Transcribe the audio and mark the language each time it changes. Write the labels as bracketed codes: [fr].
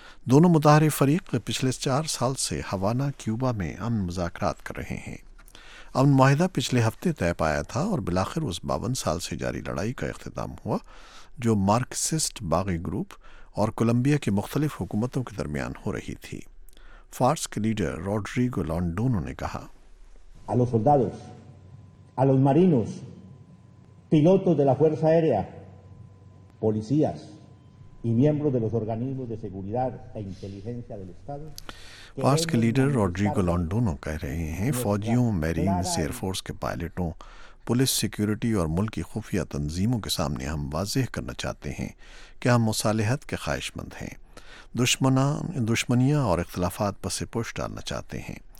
[ur] دونوں متحرک فریق پچھلے 4 سال سے ہوانا کیوبا میں امن مذاکرات کر رہے ہیں۔ امن معاہدہ پچھلے ہفتے طے پایا تھا اور بالآخر اس 52 سال سے جاری لڑائی کا اختتام ہوا، جو مارکسسٹ باغی گروپ اور کولمبیا کی مختلف حکومتوں کے درمیان ہو رہی تھی۔ فارس کے لیڈر روڈریگو لانڈونو نے کہا، [es] A los soldados, a los marinos, pilotos de la fuerza aérea, policías y miembros de los organismos de seguridad e inteligencia del estado, [ur] فارس کے لیڈر روڈریگو لانڈونو کہہ رہے ہیں، فوجیوں، میرینز، ایئر فورس کے پائلٹوں، پولیس، سیکیورٹی اور ملکی خفیہ تنظیموں کے سامنے ہم واضح کرنا چاہتے ہیں کہ ہم مصالحت کے خواہش مند ہیں، دشمنیاں اور اختلافات پس پشت ڈالنا چاہتے ہیں۔